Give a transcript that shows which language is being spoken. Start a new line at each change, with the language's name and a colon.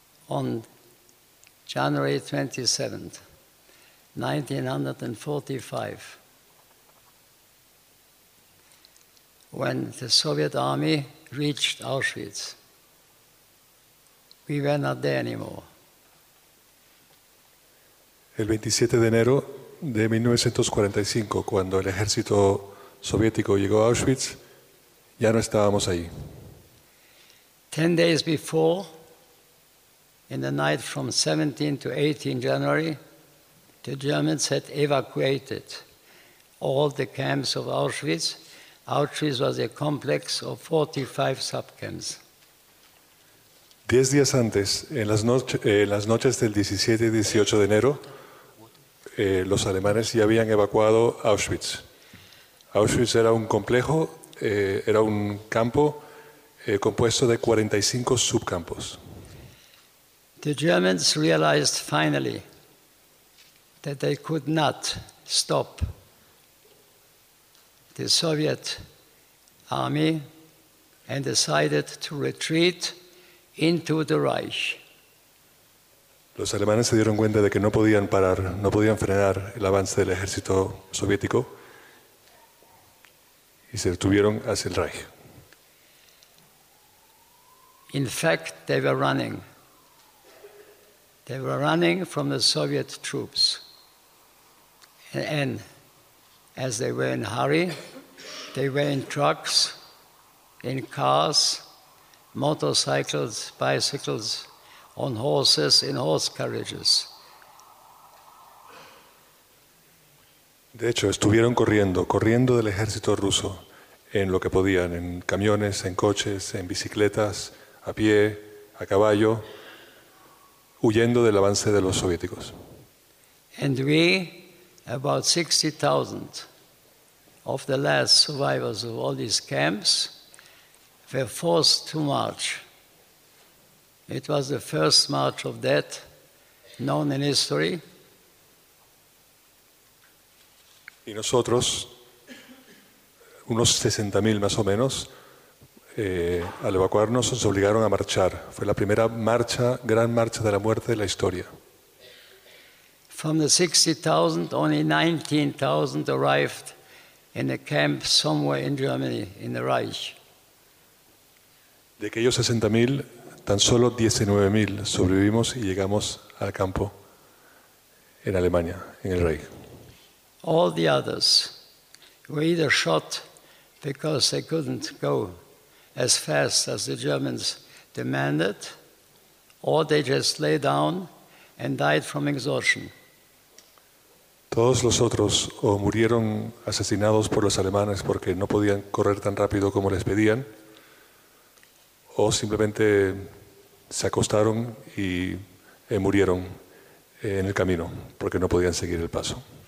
English: On January 27th, 1945, when the Soviet army reached Auschwitz, we were not there anymore.
Spanish: El 27 de enero de 1945, cuando el ejército soviético llegó a Auschwitz, ya no estábamos ahí.
English: 10 days before, in the night from 17 to 18 January, the Germans had evacuated all the camps of Auschwitz. Auschwitz was a complex of 45 subcamps.
Spanish: 10 días antes, en las noches del 17 y 18 de enero, los alemanes ya habían evacuado Auschwitz. Auschwitz era un complejo, era un campo compuesto de 45 subcampos.
English: The Germans realized finally that they could not stop the Soviet army and decided to retreat into the Reich.
Spanish: Los alemanes se dieron cuenta de que no podían parar, no podían frenar el avance del ejército soviético y se retuvieron hacia el Reich.
English: In fact, they were running. They were running from the Soviet troops. And as they were in a hurry, they were in trucks, in cars, motorcycles, bicycles, on horses, in horse carriages.
Spanish: De hecho, estuvieron corriendo del ejército ruso en lo que podían, en camiones, en coches, en bicicletas, a pie, a caballo, huyendo del avance de los soviéticos.
English: And we, about 60,000 of the last survivors of all these camps, were forced to march. It was the first march of death known in history.
Spanish: Y nosotros, unos 60,000 más o menos, al evacuarnos nos obligaron a marchar. Fue la primera marcha, gran marcha de la muerte de la historia.
English: From the 60,000, only 19,000 arrived in a camp somewhere in Germany, in the Reich.
Spanish: De aquellos 60,000, tan solo 19,000 sobrevivimos y llegamos al campo en Alemania, en el Reich.
English: All the others were either shot because they couldn't go as fast as the Germans demanded, or they just lay down and died from exhaustion.
Spanish: Todos los otros o murieron asesinados por los alemanes porque no podían correr tan rápido como les pedían, o simplemente se acostaron y murieron en el camino porque no podían seguir el paso.